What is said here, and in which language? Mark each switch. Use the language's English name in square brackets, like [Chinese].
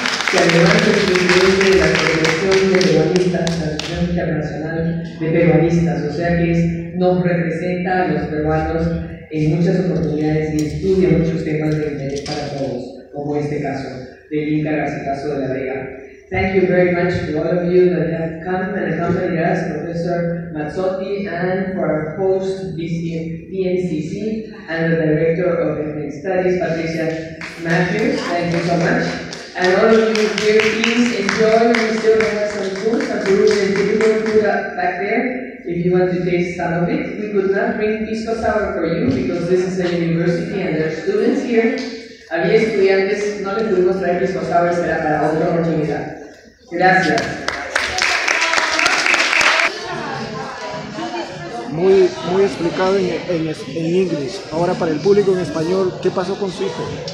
[Spanish] Que además es presidente de la Federación de Peruanistas, la Asociación Internacional de Peruanistas, o sea que nos representa a los peruanos en muchas oportunidades y estudia muchos temas de interés para todos, como este caso de Inca Garcilaso de la Vega. [English] Thank you very much to all of you that have come and accompanied us, Professor Mazzotti, and for our host, BNCC, and the Director of Ethnic Studies, Patricia Matthews. Thank you so much. And all of you here, please enjoy. We still have some food, some fruit and vegetable food back there. If you want to taste some of it, we could not bring pisco sour for you because this is a university and there are students here. [Spanish] Había estudiantes, no les pudimos traer pisco sour, será para otra oportunidad. Gracias. Muy explicado en inglés. Ahora para el público en español, ¿qué pasó con su hijo?